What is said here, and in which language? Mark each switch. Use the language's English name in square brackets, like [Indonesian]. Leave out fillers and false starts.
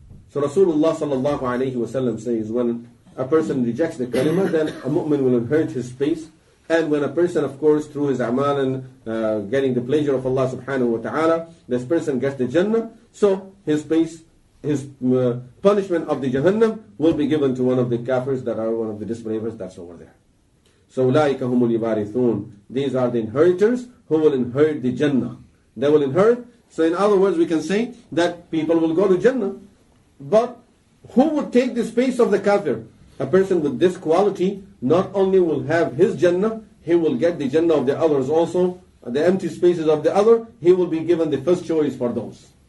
[English] So Rasulullah sallallahu alayhi wa sallam says, when a person rejects the kalima, then a mu'min will inherit his space. And when a person, of course, through his amal and getting the pleasure of Allah subhanahu wa ta'ala, this person gets the Jannah, so his space, his punishment of the Jahannam will be given to one of the kafirs that are one of the disbelievers that's over there. [Arabic] So, أُولَٰئِكَ هُمُ الْيَبَارِثُونَ. [English] These are the inheritors who will inherit the Jannah. They will inherit. So in other words, we can say that people will go to Jannah. But who would take the space of the kafir? A person with this quality not only will have his Jannah, he will get the Jannah of the others also, the empty spaces of the other, he will be given the first choice for those.